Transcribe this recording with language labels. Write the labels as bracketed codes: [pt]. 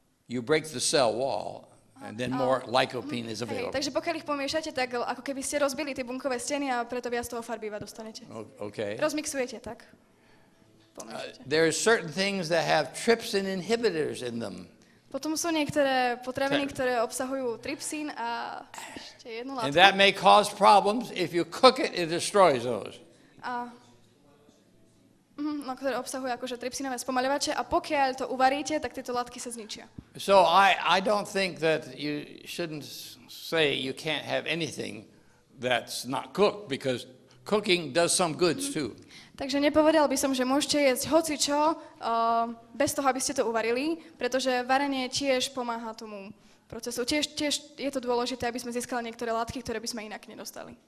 [en] You break the cell wall, and then more lycopene is available. Hey, [sk] takže pokiaľ ich pomiešate, tak ako keby ste rozbili tie bunkové steny a preto viac toho farbiva dostanete. [en] Okay. [sk] Rozmixujete, tak? [en] There are certain things that have trypsin inhibitors in them. [sk] Potom sú niektoré potraviny, ktoré obsahujú trypsin a ešte jednu látku. [en] And that may cause problems. If you cook it, it destroys those. [sk] No, ktoré obsahujú akože trypsinové spomaľovače a pokiaľ to uvaríte, tak tieto látky sa zničia. [en] So I don't think that you shouldn't say you can't have anything that's not cooked because cooking does some good too. [sk] Takže nepovedal by som, že môžete jesť hocičo bez toho, aby ste to uvarili, pretože varenie tiež pomáha tomu procesu. Tiež je to dôležité, aby sme získali niektoré látky, ktoré by sme inak nedostali.